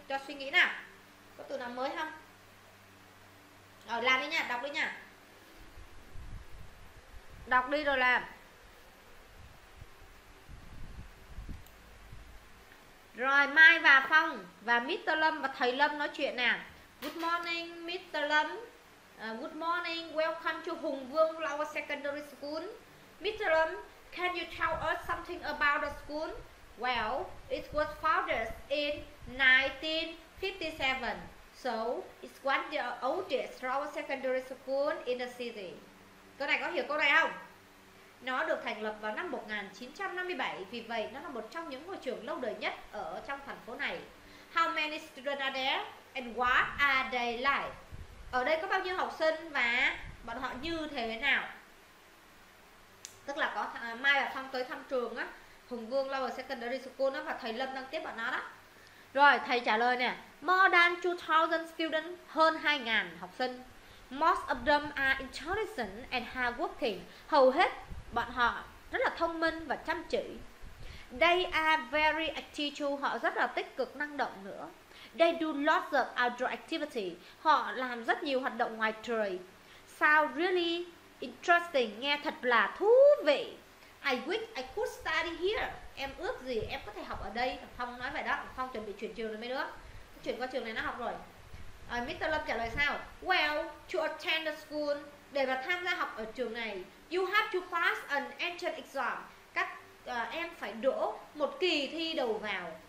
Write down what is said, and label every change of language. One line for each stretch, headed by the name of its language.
Vietnamese: Cho suy nghĩ nào. Có từ nào mới không? Rồi làm đi nha, đọc đi nha. Đọc đi rồi làm. Rồi Mai và Phong và Mr. Lâm và thầy Lâm nói chuyện nào.
English: Good morning Mr. Lâm. Good morning, welcome to Hùng Vương Lower Secondary School. Mr. Lâm, can you tell us something about the school? Well, it was founded in 1957, so it's one of the oldest lower secondary school in the city.
Vietnamese: Câu này có hiểu câu này không? Nó được thành lập vào năm 1957, vì vậy nó là một trong những ngôi trường lâu đời nhất ở trong thành phố này.
English: How many students are there and what are they like?
Vietnamese: Ở đây có bao nhiêu học sinh và bọn họ như thế nào? Tức là có Mai và Phong tới thăm trường á, Hùng Vương lower secondary school đó, và thầy Lâm đang tiếp bọn nó đó. Rồi thầy trả lời nè:
English: More than 2000 students,
Vietnamese: hơn 2000 học sinh.
English: Most of them are intelligent and hardworking.
Vietnamese: Hầu hết bọn họ rất là thông minh và chăm chỉ.
English: They are very active,
Vietnamese: họ rất là tích cực năng động nữa.
English: They do lots of outdoor activity,
Vietnamese: họ làm rất nhiều hoạt động ngoài trời.
English: Sound really interesting,
Vietnamese: nghe thật là thú vị.
English: I wish I could study here.
Vietnamese: Em ước gì em có thể học ở đây. Phong nói vậy đó. Phong chuẩn bị chuyển trường rồi mấy đứa. Chuyển qua trường này nó học rồi. Mr. Lâm trả lời sao?
English: Well, to attend the school,
Vietnamese: để mà tham gia học ở trường này,
English: you have to pass an entrance exam.
Vietnamese: Các em phải đỗ một kỳ thi đầu vào.